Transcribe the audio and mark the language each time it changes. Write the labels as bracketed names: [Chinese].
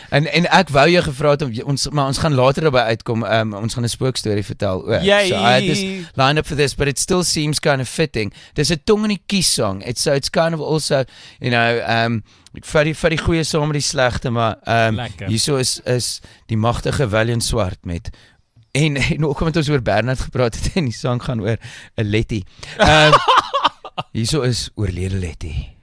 [Afrikaans] En ek wou jou gevra het, ons gaan later daarby uitkom, ons gaan 'n spookstory vertel ook. Yay. [English] So I had this line up for this, but it still seems kind of fitting. There's a [Afrikaans] tong in die kies [English] song. It's kind of also, you know, [Afrikaans] vir die goeie saam met die slegte, maar hierso is die magtige Willem Swart met en ook omdat ons oor Bernard gepraat het en die sang gaan oor 'n Letty. hierso is oorlede Letty.